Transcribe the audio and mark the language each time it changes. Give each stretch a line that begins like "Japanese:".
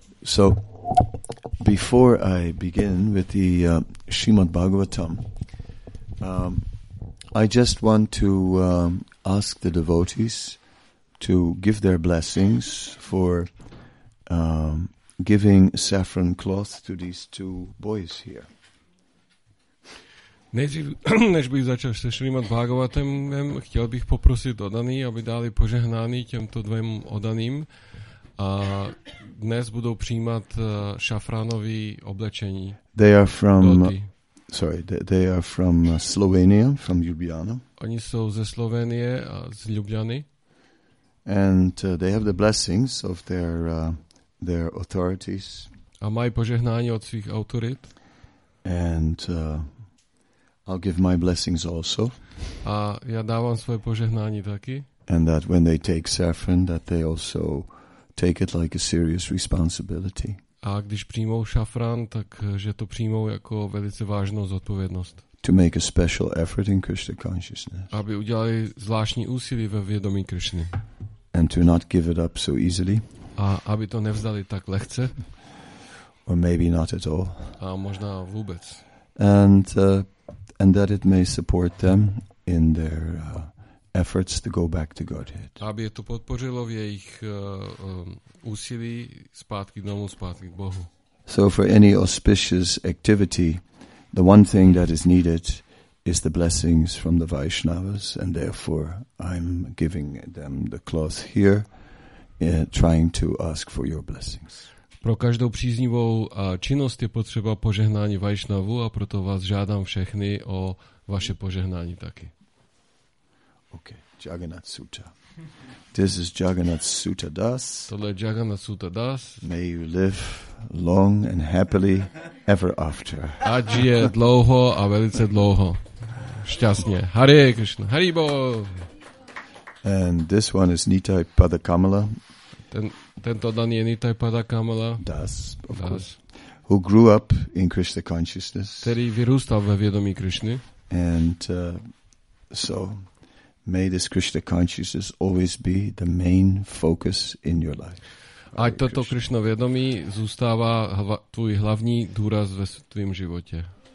English: So, before I begin with the Srimad Bhagavatam, I just want to ask the devotees to give their blessings for giving saffron cloth to these two boys here.
Czech: Než bych začal se Srimad Bhagavatam, chtěl bych poprosit oddaný, aby dali požehnání těmto dvěm oddaným. A dnes budou přijímat šafránové oblečení.
English: They are from they are from Slovenia, from Ljubljana.
Czech: Oni jsou ze Slovenie a z Ljubljany.
English: And they have the blessings of their authorities.
Czech: A mají požehnání od svých autorit.
English: And I'll give my blessings also.
Czech: A já dávám svoje požehnání taky.
English: And that when they take saffron, that they also take it like a serious responsibility.
Czech: A když přijmou šafran, tak že to přijmou jako velice vážnou zodpovědnost.
English: To make a special effort in Krishna consciousness.
Czech: Aby udělali zvláštní úsilí ve vědomí Krishny.
English: And to not give it up so easily.
Czech: A aby to nevzdali tak lehce.
English: Or maybe not at all.
Czech: A možná vůbec.
English: And that it may support them in their efforts to go back to Godhead.
Czech: Aby je to podpořilo v jejich úsilí zpátky domů, zpátky k Bohu.
English: So for any auspicious activity, the one thing that is needed is the blessings from the Vaishnavas, and therefore I'm giving them the cloth here, trying to ask for your blessings.
Czech: Pro každou příznivou činnost je potřeba požehnání Vaishnavu, a proto vás žádám všechny o vaše požehnání taky.
English: Okay, Jagannath Sutta. This is Jagannath Sutta Das.
Czech: Tohle je Jagannath Sutta Das.
English: May you live long and happily ever after.
Czech: Ať žije dlouho a velice dlouho. Šťastně. Hare Krishna. Hari Bol.
English: And this one is Nitai Padakamala.
Czech: Tento daný je Nitai Padakamala.
English: Das, of course. Who grew up in Krishna consciousness.
Czech: Který vyrůstal ve vědomí Krishny.
English: And may this Krishna consciousness always be the main focus in your life.
Czech: Ať toto Krishna vědomí zůstává tvůj hlavní důraz ve tvém životě.